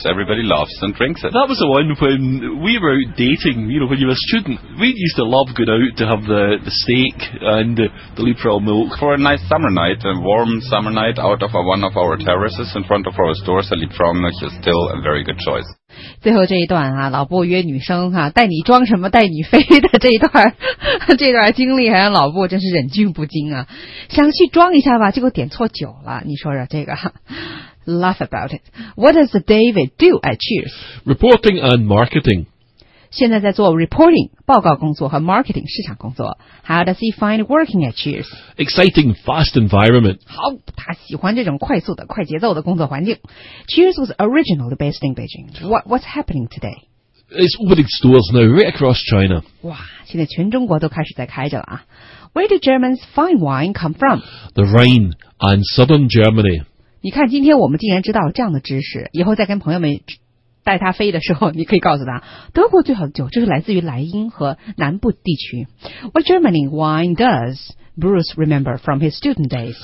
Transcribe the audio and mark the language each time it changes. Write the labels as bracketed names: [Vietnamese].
[English] Everybody loves and drinks it. That was the one when we were out dating, you know, when you were a student. We used to love going out to have the steak and the Liebfrau Milch. For a nice summer night, a warm summer night out of one of our terraces in front of our stores, the Liebfrau Milch is still a very good choice. [Chinese] 最后这一段啊，老布约女生啊，带你装什么带你飞的这段经历，还让老布真是忍俊不禁啊，想去装一下吧，结果点错酒了，你说说这个。 [English] Laugh about it. What does David do at Cheers? Reporting and marketing. [Chinese] 现在在做 reporting 报告工作和 marketing 市场工作。 [English] How does he find working at Cheers? Exciting, fast environment. [Chinese] 好，他喜欢这种快速的、快节奏的工作环境。 [English] Cheers was originally based in Beijing. What's happening today? It's opening stores now right across China. [Chinese] 哇，现在全中国都开始在开着了啊。 [English] Where do Germans fine wine come from? The Rhine and southern Germany. [Chinese] 你看，今天我们竟然知道这样的知识，以后再跟朋友们。带他飞的时候，你可以告诉他，德国最好的酒就是来自于莱茵和南部地区。 [English] What Germany wine does Bruce remember from his student days?